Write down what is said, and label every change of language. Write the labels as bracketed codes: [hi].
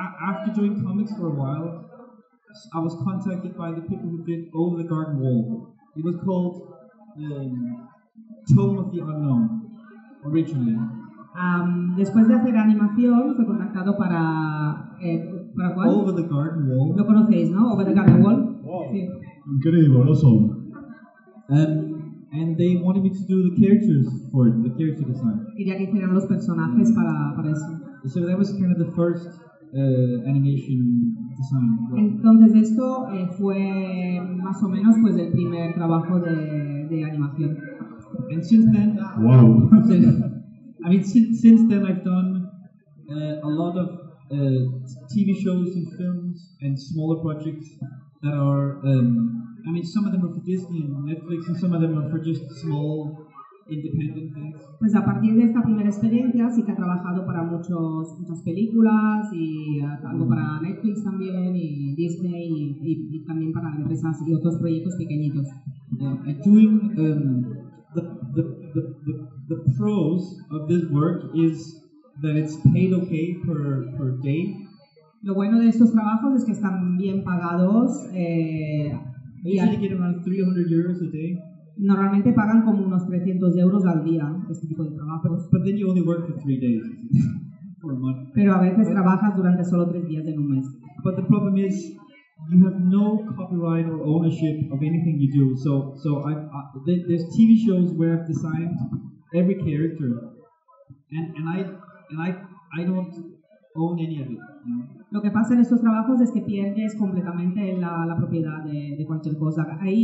[en] After doing comics for a while, I was contacted by the people who did Over the Garden Wall. It was called Tome of the Unknown, originally. [es] Después de hacer animación, fui contactado para ¿para cuál? [en] Over the Garden Wall. [es] Lo conocéis, ¿no? Over the Garden Wall. Wow. Increíble, lo son. [en] And they wanted me to do the characters for it, the character design. [es] Quería que hicieran los personajes para eso. [en] So that was kind of the first animation design. [es] Entonces esto fue más o menos pues el primer trabajo de animación. [en] And since then, wow. Since then I've done a lot of TV shows and films and smaller projects that are some of them are for Disney and Netflix, and some of them are for just small independent things. [es] Pues a partir de esta primera experiencia sí que ha trabajado para muchas películas y algo para Netflix también y Disney y también para empresas y otros proyectos pequeñitos. [en] Doing the pros of this work is that it's paid okay per day. [es] Lo bueno de estos trabajos es que están bien pagados. [en] Usually get around 300 euros a day. [es] Normalmente pagan como unos 300 euros al día este tipo de trabajos. [en] But then you only work for 3 days for a month. [es] Pero a veces trabajas durante solo 3 días en un mes. [en] But the problem is you have no copyright or ownership of anything you do. So there's TV shows where I've designed every character, and I don't own any of it. [es] Lo que pasa en estos trabajos es que pierdes completamente la propiedad de cualquier cosa.